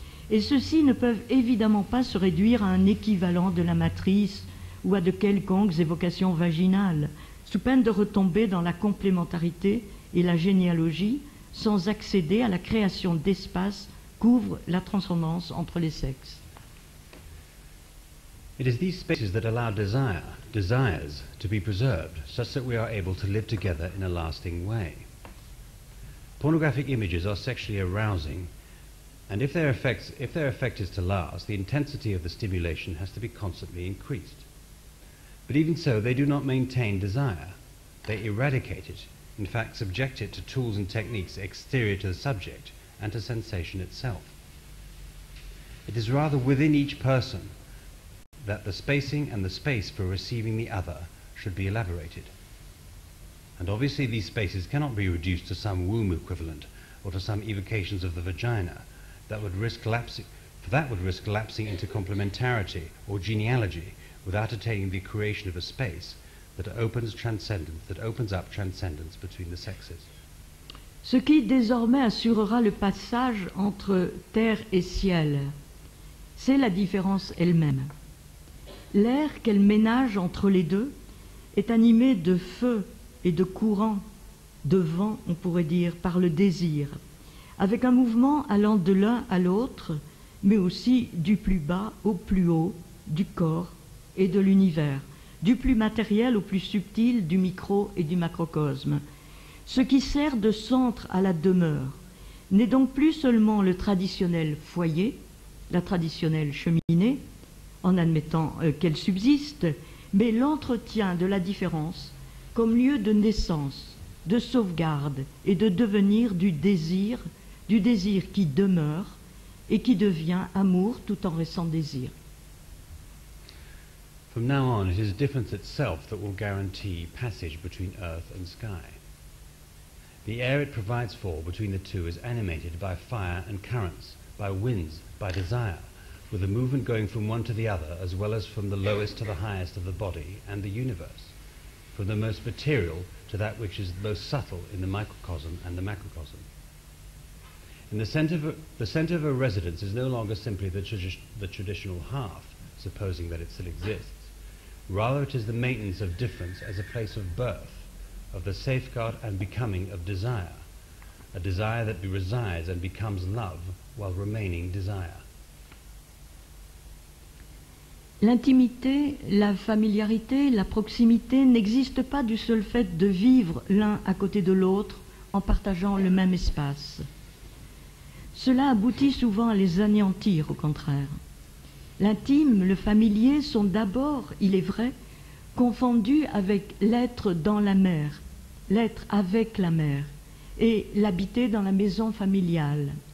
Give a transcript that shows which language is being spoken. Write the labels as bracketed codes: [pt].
[fr] Et ceux-ci ne peuvent évidemment pas se réduire à un équivalent de la matrice ou à de quelconques évocations vaginales, sous peine de retomber dans la complémentarité et la généalogie, sans accéder à la création d'espace qu'ouvre la transcendance entre les sexes. [en] It is these spaces that allow desires to be preserved such that we are able to live together in a lasting way. Pornographic images are sexually arousing, and if their effect is to last, the intensity of the stimulation has to be constantly increased. But even so, they do not maintain desire. They eradicate it, in fact, subject it to tools and techniques exterior to the subject and to sensation itself. It is rather within each person that the spacing and the space for receiving the other should be elaborated. And obviously these spaces cannot be reduced to some womb equivalent or to some evocations of the vagina that would risk for that would risk lapsing into complementarity or genealogy without attaining the creation of a space that opens transcendence, that opens up transcendence between the sexes. [fr] Ce qui désormais assurera le passage entre terre et ciel, c'est la différence elle-même. L'air qu'elle ménage entre les deux est animé de feu et de courant, de vent, on pourrait dire, par le désir, avec un mouvement allant de l'un à l'autre, mais aussi du plus bas au plus haut, du corps et de l'univers, du plus matériel au plus subtil, du micro et du macrocosme. Ce qui sert de centre à la demeure n'est donc plus seulement le traditionnel foyer, la traditionnelle cheminée, en admettant qu'elle subsiste, mais l'entretien de la différence comme lieu de naissance, de sauvegarde et de devenir du désir qui demeure et qui devient amour tout en restant désir. [en] From now on, it is difference itself that will guarantee passage between earth and sky. The air it provides for between the two is animated by fire and currents, by winds, by desire, with a movement going from one to the other, as well as from the lowest to the highest of the body and the universe, from the most material to that which is most subtle in the microcosm and the macrocosm. In the center of a residence is no longer simply the traditional hearth, supposing that it still exists. Rather, it is the maintenance of difference as a place of birth, of the safeguard and becoming of desire, a desire that resides and becomes love while remaining desire. [fr] L'intimité, la familiarité, la proximité n'existent pas du seul fait de vivre l'un à côté de l'autre en partageant le même espace. Cela aboutit souvent à les anéantir, au contraire. L'intime, le familier sont d'abord, il est vrai, confondus avec l'être dans la mer, l'être avec la mer, et l'habiter dans la maison familiale.